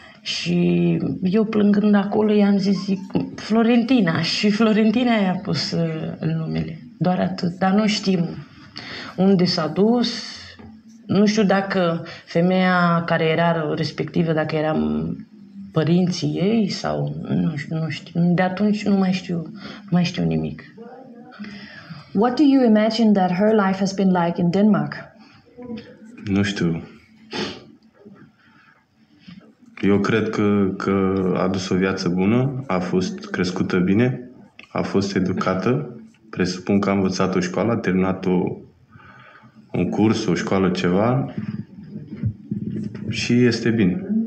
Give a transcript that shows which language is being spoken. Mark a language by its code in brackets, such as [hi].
[ro] Și eu plângând acolo i-am zis, zic, Florentina, și Florentina i-a pus numele, doar atât, dar nu știm unde s-a dus, nu știu dacă femeia care era respectivă, dacă eram părinții ei sau nu știu, de atunci nu mai știu nimic. [en] What do you imagine that her life has been like in Denmark? [ro] Nu știu. Eu cred că a dus o viață bună, a fost crescută bine, a fost educată, presupun că a învățat o școală, a terminat un curs, o școală, ceva și este bine.